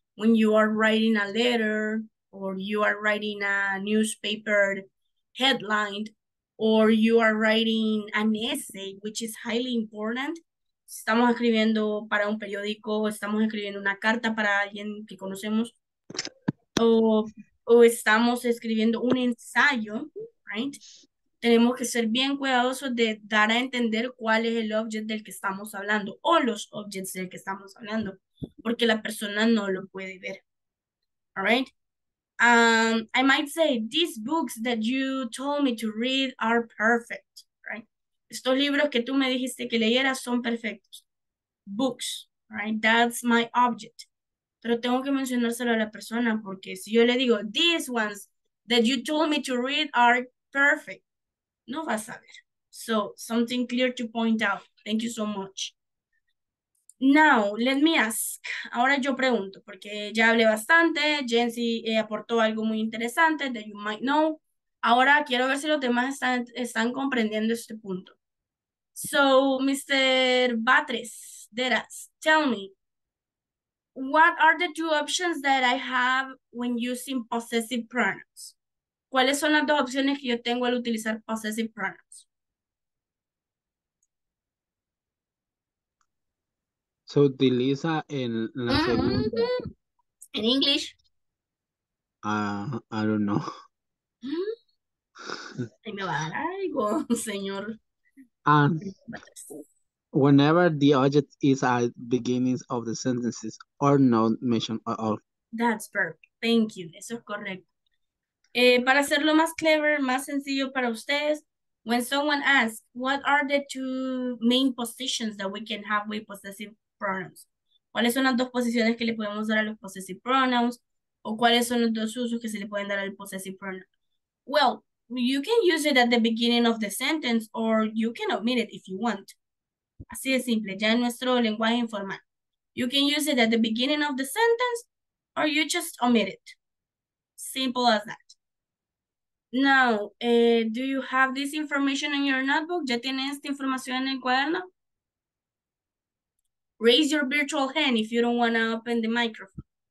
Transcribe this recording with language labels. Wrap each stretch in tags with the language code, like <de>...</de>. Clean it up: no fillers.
<en>When you are writing a letter, or you are writing a newspaper headline, or you are writing an essay, which is highly important.</en> <es>Estamos escribiendo para un periódico, estamos escribiendo una carta para alguien que conocemos, o estamos escribiendo un ensayo, right? Tenemos que ser bien cuidadosos de dar a entender cuál es el object del que estamos hablando o los objects del que estamos hablando, porque la persona no lo puede ver.</es> <en>All right? I might say, these books that you told me to read are perfect, right?</en> <es>Estos libros que tú me dijiste que leyeras son perfectos.</es> <en>Books, right? That's my object.</en> <es>Pero tengo que mencionárselo a la persona porque si yo le digo,</es> <en>these ones that you told me to read are perfect,</en> <es>no vas a ver.</es> <en>So, something clear to point out. Thank you so much. Now, let me ask.</en> <es>Ahora yo pregunto, porque ya hablé bastante, Jensi aportó algo muy interesante</es> <en>that you might know.</en> <es>Ahora quiero ver si los demás están comprendiendo este punto.</es> <en>So, Mr. Batres, Deras, tell me, what are the two options that I have when using possessive pronouns?</en> <es>¿Cuáles son las dos opciones que yo tengo al utilizar possessive pronouns? Se utiliza en la segunda. ¿En English?</es> <en>I don't know.</en> <es>Ay, me va a dar algo, señor.</es> <en>Whenever the object is at the beginning of the sentences or not mentioned at all. That's perfect. Thank you.</en> <es>Eso es correcto. Para hacerlo más clever, más sencillo para ustedes,</es> <en>when someone asks, what are the two main positions that we can have with possessive pronouns?</en> <es>¿Cuáles son las dos posiciones que le podemos dar a los possessive pronouns? ¿O cuáles son los dos usos que se le pueden dar al possessive pronoun?</es> <en>Well, you can use it at the beginning of the sentence or you can omit it if you want.</en> <es>Así de simple, ya en nuestro lenguaje informal.</es> <en>You can use it at the beginning of the sentence or you just omit it. Simple as that. Now, do you have this information in your notebook?</en> <es>¿Ya tienes esta información en el cuaderno?</es> <en>Raise your virtual hand if you don't want to open the microphone.</en>